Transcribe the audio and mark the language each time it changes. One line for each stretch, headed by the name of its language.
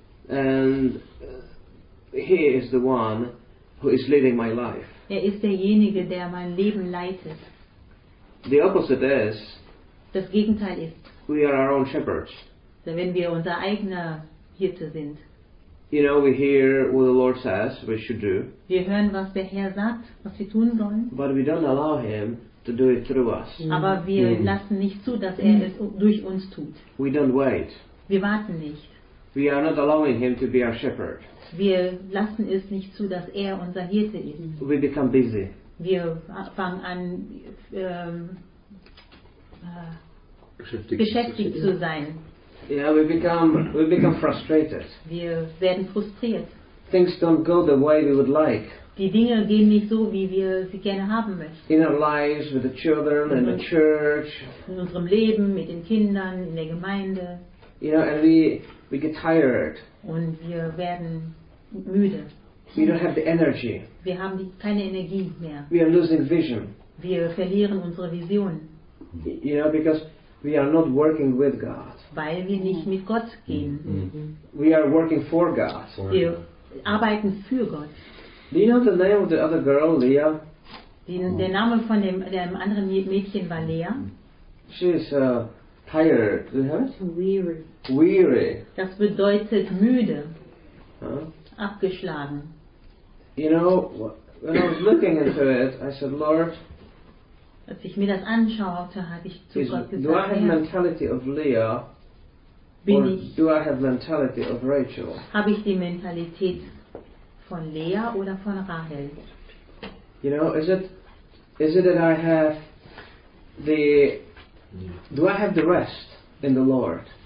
English: And He is the one who is leading my life.
German: Er ist derjenige, der mein Leben leitet.
English: The opposite is.
German: Das Gegenteil ist.
English: We are our own shepherds.
German: So wenn wir unser eigener Hirte sind.
English: You know, we hear what the Lord says we should do.
German: Wir hören, was der Herr sagt, was wir tun sollen.
English: But we don't allow Him to do it through us.
German: Aber wir lassen nicht zu, dass er es durch uns tut.
English: We don't wait.
German: Wir warten nicht.
English: We are not allowing Him to be our shepherd.
German: Wir lassen es nicht zu, dass er unser Hirte ist.
English: We become busy.
German: Wir fangen an, beschäftigt zu sein.
English: Yeah, we become frustrated.
German: Wir werden frustriert.
English: Things don't go the way we would like.
German: Die Dinge gehen nicht so, wie wir sie gerne haben möchten.
English: In our lives with the children in the church.
German: In unserem Leben mit den Kindern in der Gemeinde.
English: You know, and we get tired.
German: Und wir werden müde.
English: We don't have the energy.
German: Wir haben keine Energie mehr.
English: We are losing vision.
German: Wir verlieren unsere Vision.
English: You know, because we are not working with God.
German: Weil wir nicht mit Gott gehen. Mm-hmm.
English: We are working for God.
German: Wir arbeiten für Gott.
English: Do you know the name of the other girl, Leah?
German: Der Name von dem anderen Mädchen war Leah.
English: She is tired. Do you have it? Weary. Weary.
German: Das bedeutet müde. Huh? Abgeschlagen.
English: You know, when I was looking into it, I said, Lord,
German: als ich mir das anschaute, habe ich zu Gott gesagt,
English: do I have mentality of Leah, do I have mentality of Rachel?
German: Habe ich die Mentalität von Leah oder von Rachel?
English: You know, is it that I have the rest in the Lord?